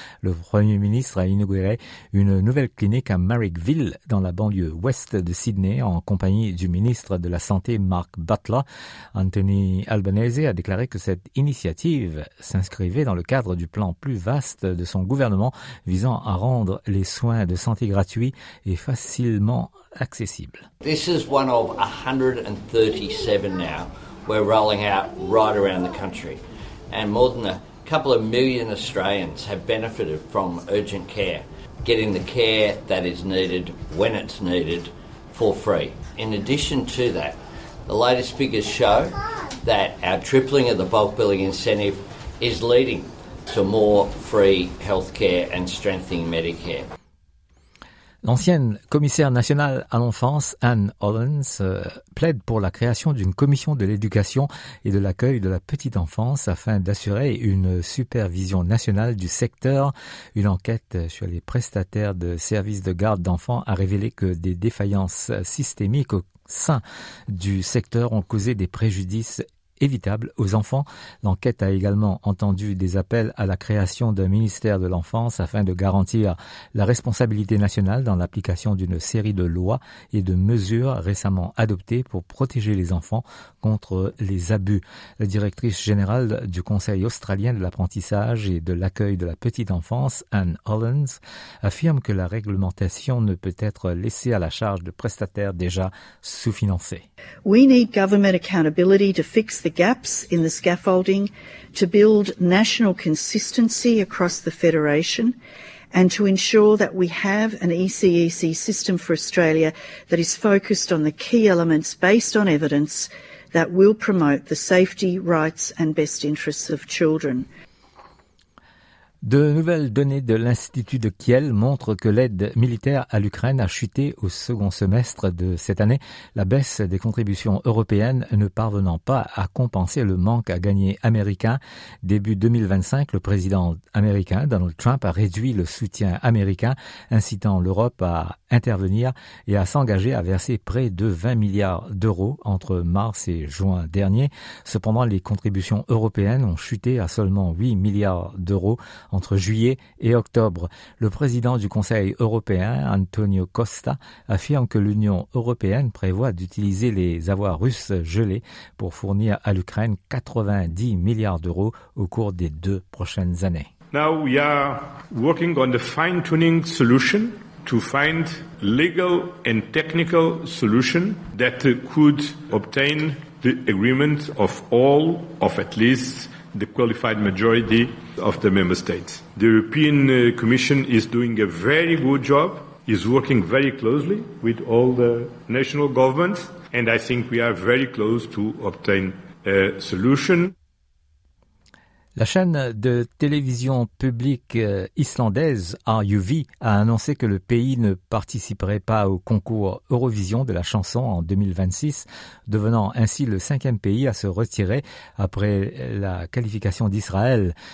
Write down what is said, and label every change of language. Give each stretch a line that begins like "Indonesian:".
French: Le Premier ministre a inauguré une nouvelle clinique à Marrickville, dans la banlieue ouest de Sydney, en compagnie du ministre de la Santé, Mark Butler. Anthony Albanese a déclaré que cette initiative s'inscrivait dans le cadre du plan plus vaste de son gouvernement visant à rendre les soins de santé gratuits et facilement accessible.
English: This is one of 137 now we're rolling out right around the country. And more than a couple of million Australians have benefited from urgent care, getting the care that is needed when it's needed for free. In addition to that, the latest figures show that our tripling of the bulk billing incentive is leading to more free healthcare and strengthening Medicare.
French: L'ancienne commissaire nationale à l'enfance, Anne Hollands, plaide pour la création d'une commission de l'éducation et de l'accueil de la petite enfance afin d'assurer une supervision nationale du secteur. Une enquête sur les prestataires de services de garde d'enfants a révélé que des défaillances systémiques au sein du secteur ont causé des préjudices évitables aux enfants. L'enquête a également entendu des appels à la création d'un ministère de l'enfance afin de garantir la responsabilité nationale dans l'application d'une série de lois et de mesures récemment adoptées pour protéger les enfants contre les abus. La directrice générale du Conseil australien de l'apprentissage et de l'accueil de la petite enfance, Anne Hollands, affirme que la réglementation ne peut être laissée à la charge de prestataires déjà sous-financés.
English: We need government accountability to fix the gaps in the scaffolding, to build national consistency across the Federation, and to ensure that we have an ECEC system for Australia that is focused on the key elements based on evidence that will promote the safety, rights and best interests of children.
French: De nouvelles données de l'Institut de Kiel montrent que l'aide militaire à l'Ukraine a chuté au second semestre de cette année, la baisse des contributions européennes ne parvenant pas à compenser le manque à gagner américain. Début 2025, le président américain Donald Trump a réduit le soutien américain, incitant l'Europe à intervenir et à s'engager à verser près de 20 milliards d'euros entre mars et juin dernier. Cependant, les contributions européennes ont chuté à seulement 8 milliards d'euros entre juillet et octobre. Le président du Conseil européen, Antonio Costa, affirme que l'Union européenne prévoit d'utiliser les avoirs russes gelés pour fournir à l'Ukraine 90 milliards d'euros au cours des deux prochaines années.
English: Now we are working on the fine-tuning solution to find legal and technical solution that could obtain the agreement of all of at least the qualified majority of the member states. The European Commission is doing a very good job, is working very closely with all the national governments, and I think we are very close to obtain a solution.
French: La chaîne de télévision publique islandaise RUV a annoncé que le pays ne participerait pas au concours Eurovision de la chanson en 2026, devenant ainsi le cinquième pays à se retirer après la qualification d'Israël.